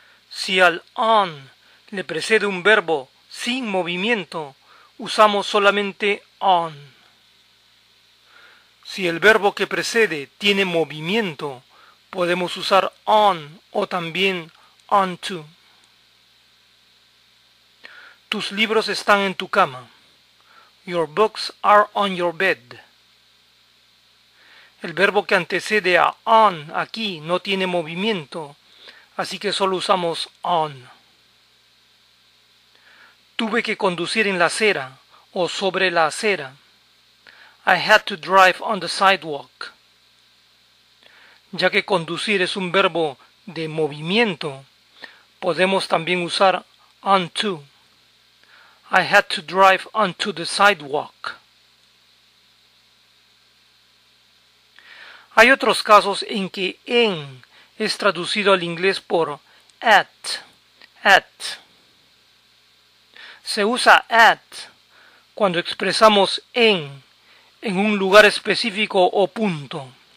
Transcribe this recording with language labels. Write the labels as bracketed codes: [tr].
[es] Si al on le precede un verbo sin movimiento, usamos solamente on. Si el verbo que precede tiene movimiento, podemos usar on o también onto. Tus libros están en tu cama. [en] Your books are on your bed. [es] El verbo que antecede a on aquí no tiene movimiento, así que solo usamos on. Tuve que conducir en la acera o sobre la acera. [en] I had to drive on the sidewalk. [es] Ya que conducir es un verbo de movimiento, podemos también usar onto. [en] I had to drive onto the sidewalk. [es] Hay otros casos en que en es traducido al inglés por at, at. Se usa at cuando expresamos en un lugar específico o punto.